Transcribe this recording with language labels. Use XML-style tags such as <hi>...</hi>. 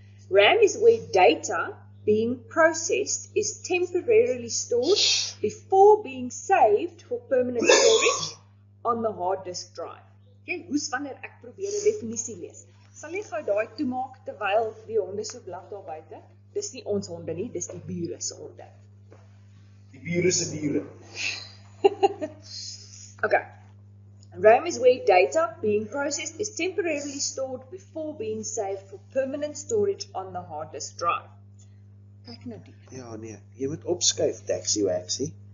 <en>RAM is where data being processed is temporarily stored before being saved for permanent storage on the hard disk drive.</en> <af>Okay, hoes wanneer ek probeer 'n definisie lees. Sal jy gou daai toemaak terwyl die honde so blaf daar buite? Dis nie ons honde nie, dis die bure se honde. Die bure se diere. Okay.</af> <en>RAM is where data being processed is temporarily stored before being saved for permanent storage on the hard disk drive.</en> <af>Kyk nou die. Ja, nee, jy moet opskuif, taxi waxie.</af>